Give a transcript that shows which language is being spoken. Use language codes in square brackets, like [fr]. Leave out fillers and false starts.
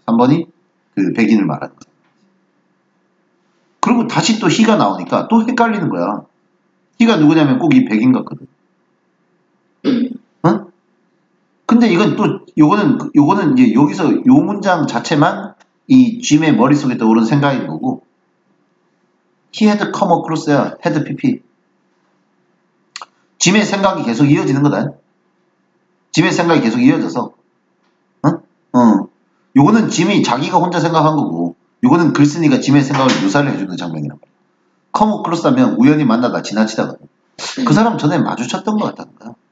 [ko] 3번이 그 백인을 말하는 거야. 그리고 다시 또 희가 나오니까 또 헷갈리는 거야. 희가 누구냐면 꼭 이 백인 같거든. 응? 근데 이건 또, 요거는 이제 여기서 요 문장 자체만 이 짐의 머릿속에 떠오른 생각인 거고. [en] He had come across there, had PP. [ko] 짐의 생각이 계속 이어지는 거다. 짐의 생각이 계속 이어져서. 요거는 짐이 자기가 혼자 생각한 거고, 요거는 글쓴이가 짐의 생각을 묘사를 해주는 장면이란 말이야. Come across 하면 우연히 만나다 지나치다가. 그 사람 전에 마주쳤던 것 같다는 거야.